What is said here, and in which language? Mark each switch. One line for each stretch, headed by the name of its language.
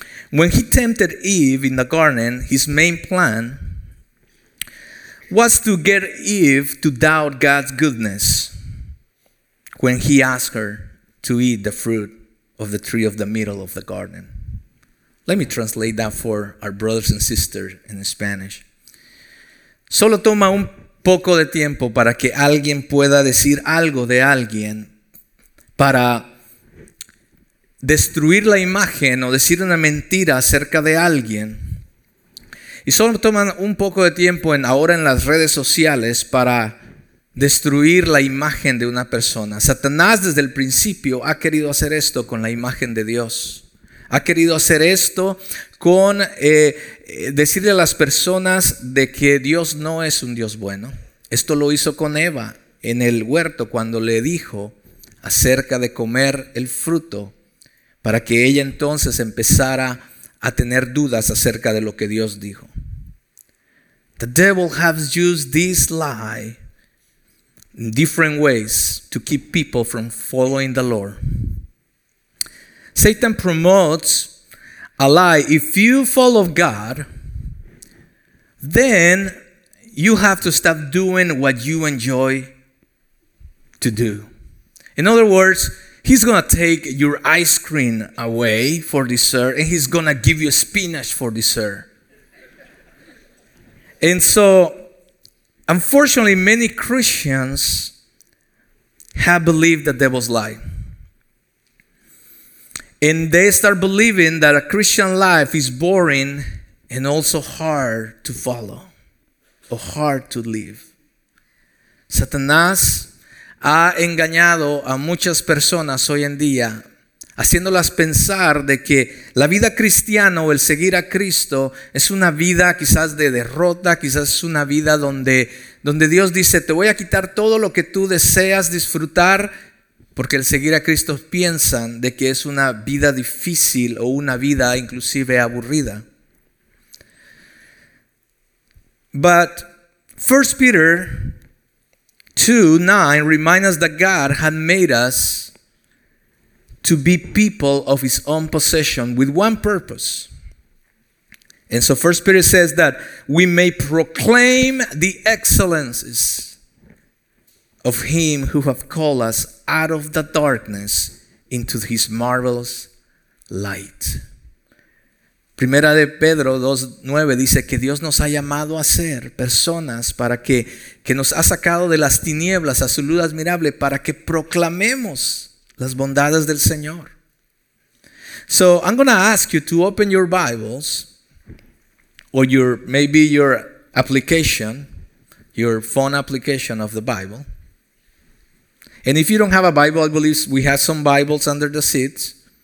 English: When he tempted Eve in the garden, his main plan was to get Eve to doubt God's goodness when he asked her to eat the fruit of the tree of the middle of the garden. Let me translate that for our brothers and sisters in Spanish.
Spanish: Solo toma un poco de tiempo para que alguien pueda decir algo de alguien para destruir la imagen o decir una mentira acerca de alguien. Y solo toman un poco de tiempo ahora en las redes sociales para destruir la imagen de una persona. Satanás desde el principio ha querido hacer esto con la imagen de Dios. Ha querido hacer esto con decirle a las personas de que Dios no es un Dios bueno. Esto lo hizo con Eva en el huerto cuando le dijo acerca de comer el fruto para que ella entonces empezara a tener dudas acerca de lo que Dios dijo.
English: The devil has used this lie in different ways to keep people from following the Lord. Satan promotes a lie. If you follow God, then you have to stop doing what you enjoy to do. In other words, he's going to take your ice cream away for dessert, and he's going to give you spinach for dessert. And so, unfortunately, many Christians have believed the devil's lie. And they start believing that a Christian life is boring and also hard to follow or hard to live.
Spanish: Satanás ha engañado a muchas personas hoy en día, haciéndolas pensar de que la vida cristiana o el seguir a Cristo es una vida quizás de derrota, quizás es una vida donde Dios dice, te voy a quitar todo lo que tú deseas disfrutar, porque el seguir a Cristo piensan de que es una vida difícil o una vida inclusive aburrida.
English: But 1 Peter 2:9 reminds us that God had made us to be people of his own possession with one purpose. And so 1 Peter says that we may proclaim the excellences of him who have called us out of the darkness into his marvelous light.
Spanish: Primera de Pedro 2:9 dice que Dios nos ha llamado a ser personas para que nos ha sacado de las tinieblas a su luz admirable para que proclamemos las bondades del Señor.
English: So I'm going to ask you to open your Bibles or your application, your phone application of the Bible. And if you don't have a Bible, I believe we have some Bibles under the seats.